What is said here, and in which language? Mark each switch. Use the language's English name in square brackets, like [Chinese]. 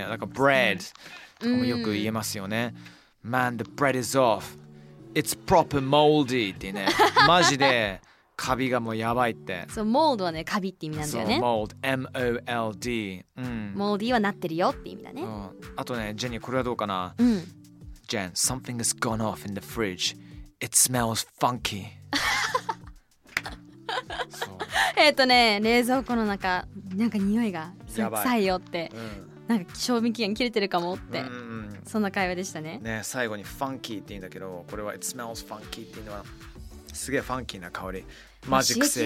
[Japanese] なんか [English] bread [Japanese] とかもよく言えますよね。 [English] Man, the bread is off. It's proper moldy [Japanese] っていうね。マジでカビがもうやばいって。そう、モードはね、カビって意味なんだよね。そう、モード、M-O-L-D、うん。モーディーはなってるよって意味だね。あとね、ジェニー、これはどうかな。うん。 [English] ジェン、something has gone off in the fridge. It smells funky. [Japanese] ね、冷蔵庫の中、なんか匂いが臭いよって。なんか賞味期限切れてるかもって、うんうん、そんな会話でしたね最後にファンキーって言うんだけど、これは [English] It smells funky [Japanese] っていうのはすげえファンキーな香り、マジクセ